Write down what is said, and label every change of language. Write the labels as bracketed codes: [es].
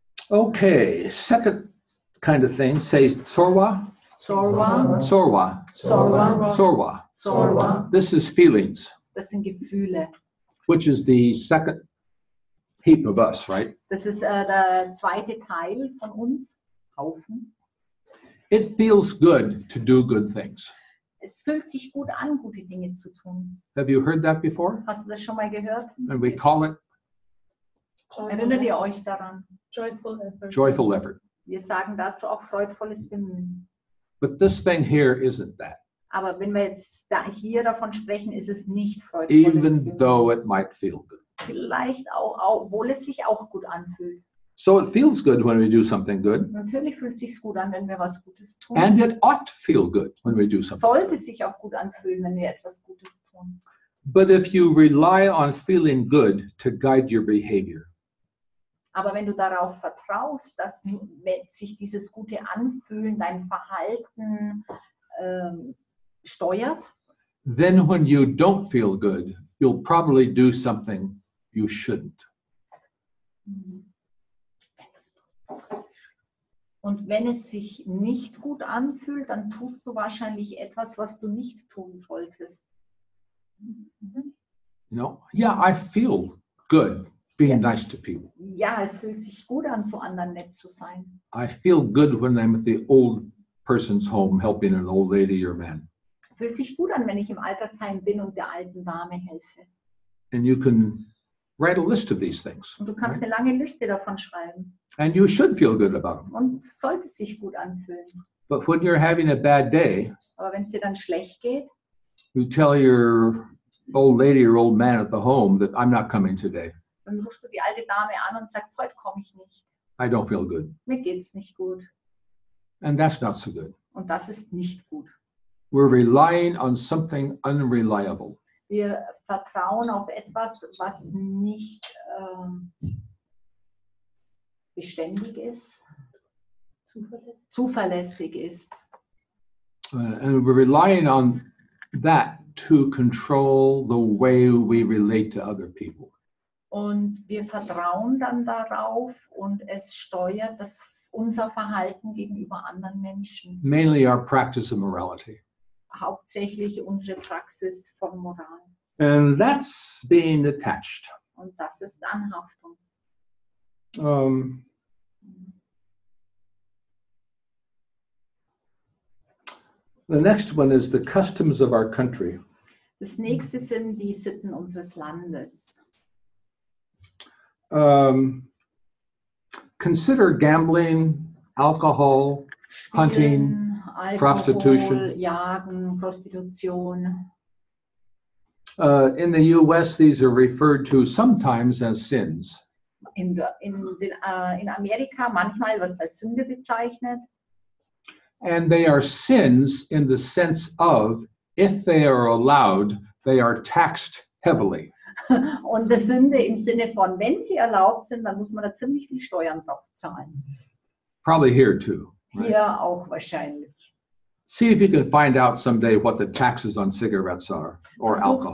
[en] Okay, second kind of thing, say Tsorwa. [bo] Tsorwa. Tsorwa. Tsorwa. Tsorwa. Tsorwa. [en] This is feelings. [de] Das sind Gefühle. [en] Which is the second heap of us, right? [de] Das ist der zweite Teil von uns, Haufen. [en] It feels good to do good things. [de] Es fühlt sich gut an, gute Dinge zu tun. [en] Have you heard that before? [de] Hast du das schon mal gehört? [en] And we call it? [de] Erinnert ihr euch daran? [en] Joyful effort. Joyful effort. [de] Wir sagen dazu auch freudvolles Bemühen. [en] But this thing here isn't that. [de] Aber wenn wir jetzt da hier davon sprechen, ist es nicht freudvolles Bemühen. [en] Even though it might feel good. [de] Vielleicht auch, obwohl es sich auch gut anfühlt. [en] So it feels good when we do something good. [de] Natürlich fühlt sich's gut an, wenn wir was Gutes tun. [en] And it ought to feel good when we do something. [de] Sollte sich auch gut anfühlen, wenn wir etwas Gutes tun. [en] But if you rely on feeling good to guide your behavior. [de] Aber wenn du darauf vertraust, dass sich dieses gute Anfühlen dein Verhalten steuert, [en] then when you don't feel good, you'll probably do something you shouldn't. [de] Und wenn es sich nicht gut anfühlt, dann tust du wahrscheinlich etwas, was du nicht tun solltest. [en] No, yeah, I feel good being yeah. Nice to people. [de] Ja, es fühlt sich gut an, zu anderen nett zu sein. [en] I feel good when I'm at the old person's home helping an old lady or man. [de] Fühlt sich gut an, wenn ich im Altersheim bin und der alten Dame helfe. [en] And you can write a list of these things. [de] Und du kannst right? Eine lange Liste davon schreiben. [en] And you should feel good about them. [de] Und sollte sich gut anfühlen. [en] But when you're having a bad day, [de] aber wenn es dir dann schlecht geht, [en] you tell your old lady or old man at the home that I'm not coming today. [de] Dann rufst du die alte Dame an und sagst, heute komme ich nicht. [en] I don't feel good. [de] Mir geht's nicht gut. [en] And that's not so good. [de] Und das ist nicht gut. [en] We're relying on something unreliable. [de] Wir vertrauen auf etwas, was nicht beständig ist, zuverlässig ist. [en] And we're relying on that to control the way we relate to other people. [de] Und wir vertrauen dann darauf und es steuert das unser Verhalten gegenüber anderen Menschen. [en] Mainly our practice of morality. [de] Hauptsächlich unsere Praxis von Moral. [en] And that's being attached. [de] Und das ist Anhaftung. [en] The next one is the customs of our country. [de] Das nächste sind die Sitten unseres Landes. [en] Consider gambling, alcohol, [de] Spielen, [en] hunting, alcohol, prostitution. [de] Jagen, Prostitution. [en] In the U.S., these are referred to sometimes as sins. [de] In Amerika manchmal wird es als Sünde bezeichnet. [en] And they are sins in the sense of, if they are allowed, they are taxed heavily. [de] Und die Sünde im Sinne von, wenn sie erlaubt sind, dann muss man da ziemlich viel Steuern drauf zahlen. [en] Probably here too. Right? [de] Hier auch wahrscheinlich. [en] See if you can find out someday what the taxes on cigarettes are or alcohol.